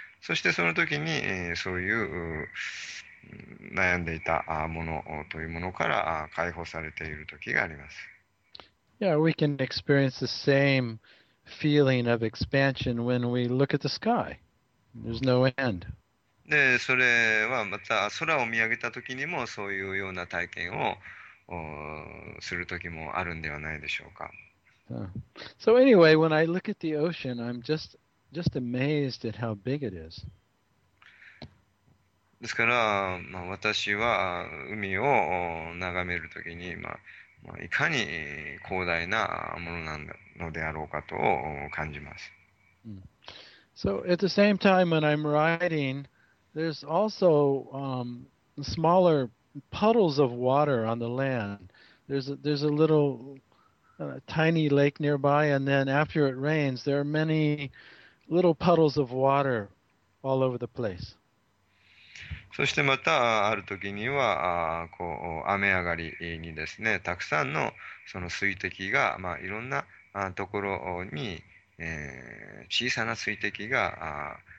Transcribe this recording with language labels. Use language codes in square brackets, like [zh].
[ja] そしてその時に、そういう悩んでいたものというものから解放されている時があります。 [en] Yeah, we can experience the same feeling of expansion when we look at the sky. There's no end. [ja] で、それはまた空を見上げた時にもそういうような体験をする時もあるんではないでしょうか。 [en] So anyway, when I look at the ocean, I'm just amazed at how big it is. [ja] ですから、まあ、私は海を眺めるときに、まあ、いかに広大なものなのであろうかと感じます。 [en] So at the same time when I'm riding, there's also smaller puddles of water on the land. There's a little tiny lake nearby, and then after it rains, there are many little puddles of water all over the place. [ja] そしてまたある時にはこう雨上がりにですね、たくさんのその水滴が、まあ、いろんなところに、小さな水滴が、